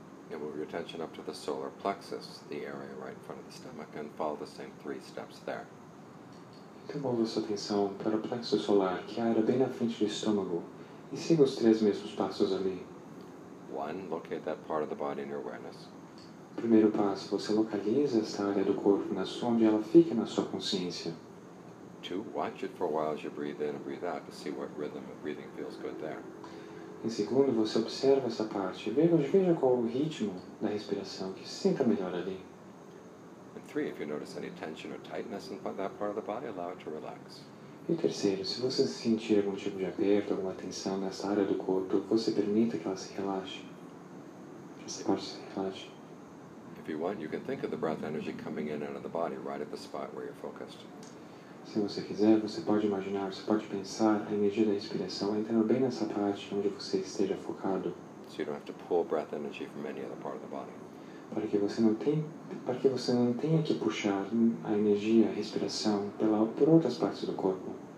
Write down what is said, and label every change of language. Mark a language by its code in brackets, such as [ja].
[en] Move your attention up to the solar plexus, the area right in front of the stomach, and follow the same three steps there. [pt] Então, move sua atenção para o plexo solar, que é a área bem na frente do estômago, e siga os três mesmos passos ali. [en] One, locate that part of the body in your awareness. [pt] Primeiro passo, você localiza esta área do corpo na sua, onde ela fica na sua consciência. [en] Two, watch it for a while as you breathe in and breathe out to see what rhythm of breathing feels good there. [pt] Em segundo, você observa essa parte, veja qual o ritmo da respiração que se sinta melhor ali. [en] And three, if you notice any tension or tightness in that part of the body, allow it to relax. [pt] E terceiro, se você sentir algum tipo de aperto, alguma tensão nessa área do corpo, você permita que ela se relaxe. Essa parte se relaxe. [en] If you want, you can think of the breath energy coming in and out of the body right at the spot where you're focused. [pt] Se você quiser, você pode imaginar, você pode pensar a energia da respiração entrando bem nessa parte onde você esteja focado. [en] So you don't have to pull breath energy from any other part of the body. [pt] Para que você não tenha que puxar a energia, a respiração por outras partes do corpo.